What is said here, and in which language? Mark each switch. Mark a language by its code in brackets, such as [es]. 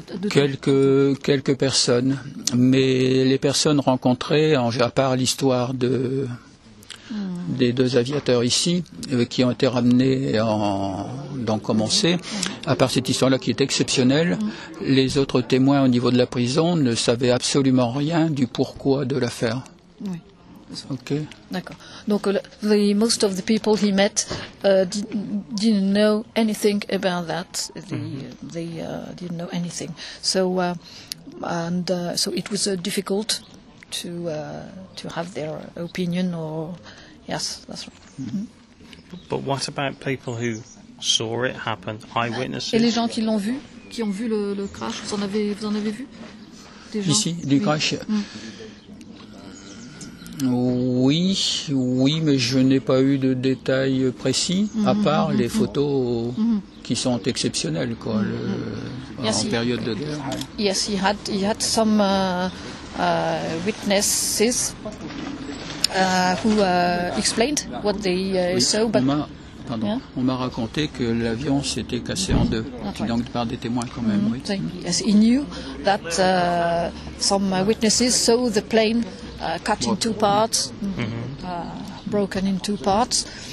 [fr] Quelques personnes, mais les personnes rencontrées, à part l'histoire des deux aviateurs ici qui ont été ramenés à part cette histoire-là qui est exceptionnelle, les autres témoins au niveau de la prison ne savaient absolument rien du pourquoi de l'affaire. Oui. Ok. D'accord. [en] Donc, most of the people he met didn't know anything about that. They didn't know anything. So it was difficult to have their opinion or. Yes, that's right. But what about people who saw it happen, eyewitnesses? [fr] Et les gens qui l'ont vu, qui ont vu le crash, vous en avez vu? Des gens? Ici, du crash? Oui, mais je n'ai pas eu de détails précis, à part les photos qui sont exceptionnelles, quoi, période de guerre. [en] Yes, he had some witnesses. Who explained what they saw, but [fr] on m'a raconté que l'avion s'était cassé en deux, donc par des témoins quand même. Oui. [en] Yes, he knew that some witnesses saw the plane cut in two parts, broken in two parts.